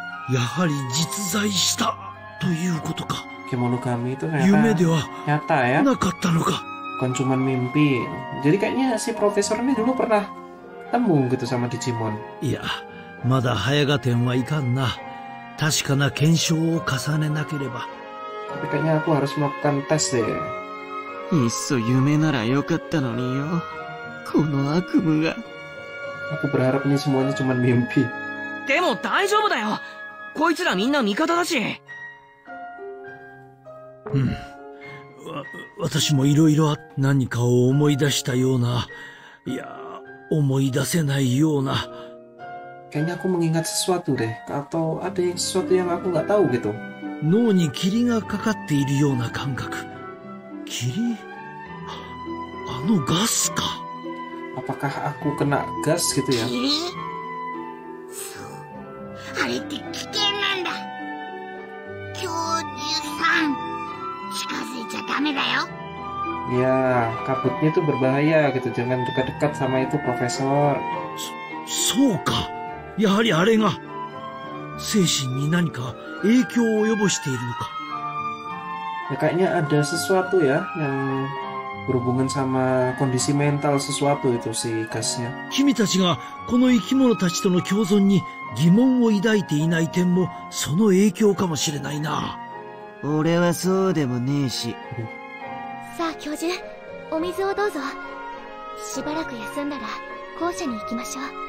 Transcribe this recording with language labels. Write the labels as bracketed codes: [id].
[ja] やはり実在したということか。 [id] 獣kami itu ternyata [ja] 夢では [id] nyata ya. [ja] なかったのか。 [id] Bukan cuma mimpi. Jadi kayaknya si profesor ini dulu pernah temu gitu sama Digimon. [ja] Iya, まだ早がてんはいかんな。確かな検証を重ねなければ。 [id] Tapi kayaknya aku harus melakukan tes deh. [ja] Isso, 夢ならよかったのによ。この悪夢が。 [id] Aku berharap ini semuanya cuma mimpi. [ja] でも大丈夫だよ。こいつらみんな味方だし。うん。私もいろいろ何かを思い出したような、いや、思い出せないような。 [id] Kayaknya aku mengingat sesuatu deh, atau ada sesuatu yang aku nggak tahu gitu. [ja] 脳に霧がかかっているような感覚。霧？あのガスか。 [id] Apakah aku kena gas gitu ya? [ja] 霧？そう。あれって危険なんだ。教授さん、近づいちゃダメだよ。 [id] Ya, kabutnya itu berbahaya gitu. Jangan dekat-dekat sama itu, Profesor. [ja] そうか。やはりあれが精神に何か影響を及ぼしているのか。 [id] Ya, kayaknya ada sesuatu ya yang berhubungan sama kondisi mental sesuatu itu si gasnya. [ja] 君たちがこの生き物たちとの共存に疑問を抱いていない点もその影響かもしれないな。俺はそうでもねえし。さあ教授、お水をどうぞ。しばらく休んだら校舎に行きましょう。